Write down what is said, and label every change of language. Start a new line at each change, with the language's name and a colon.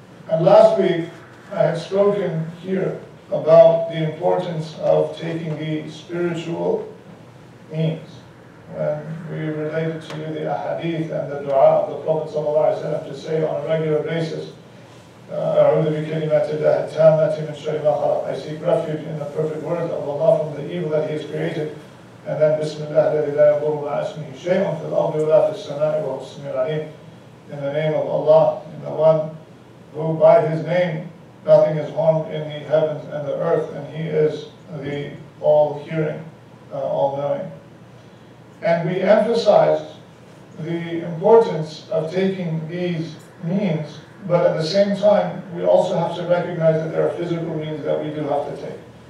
English: And last week, I had spoken here about the importance of taking the spiritual means. When we related to you the ahadith and the dua of the Prophet sallallahu alaihi wasallam to say on a regular basis,
Arabic: أعوذ بكلمات الله التامة من شر ما خلق.
English: I seek refuge in the perfect words of Allah from the evil that He has created. And then
Arabic: Bismillah الذي لا يضر مع اسمه شيء في الأرض ولا في السماء وهو السميع العليم.
English: In the name of Allah, in the one who by His name nothing is harmed in the heavens and the earth, and He is the all-hearing, all-knowing. And we emphasized the importance of taking these means, but at the same time, we also have to recognize that there are physical means that we do have to take.